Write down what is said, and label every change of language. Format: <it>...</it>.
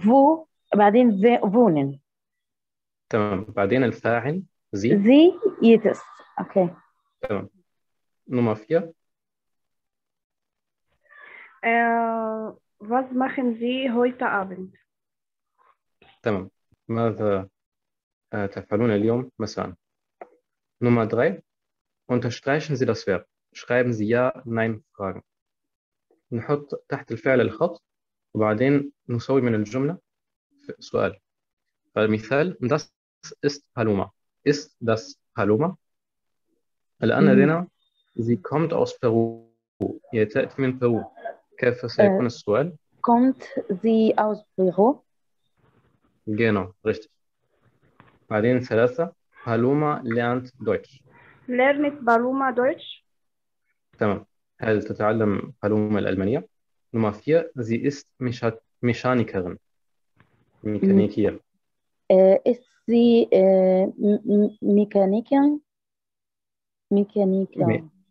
<de>wo</de> <ar>بعدين</ar> <de>wohnen.</de> <ar>تمام بعدين الفاعل Sie</ar> <de>Sie jetzt. Okay.</de> <ar>تمام نمرة فيها</ar> <de>was machen Sie heute Abend?</de> <ar>تمام ماذا تفعلون اليوم مساء؟ نمرة 3</ar> <de>unterstreichen Sie das Verb. Schreiben Sie ja, nein, Fragen.</de> <ar>نحط تحت الفعل الخط وبعدين نسوي من الجملة سؤال. فالمثال</ar> <de>das ist Paloma. Ist das Paloma؟</de> <ar>الآن لدينا</ar> <de>sie kommt aus Peru.</de> <ar>هي تأتي من Peru. كيف سيكون السؤال؟</ar> <de>kommt sie aus Büro? Genau, richtig.</de> <ar>بعدين ثلاثة</ar> <de>Paloma lernt Deutsch. Lernt Paloma Deutsch?</de> <ar>تمام. هل تتعلم Paloma الألمانية؟</ar> <de>Nummer 4. Sie ist Mechanikerin.</de> <ar>ميكانيكية.</ar> <de>Ist sie Mechanikerin?</de> <ar>ميكانيكا</ar>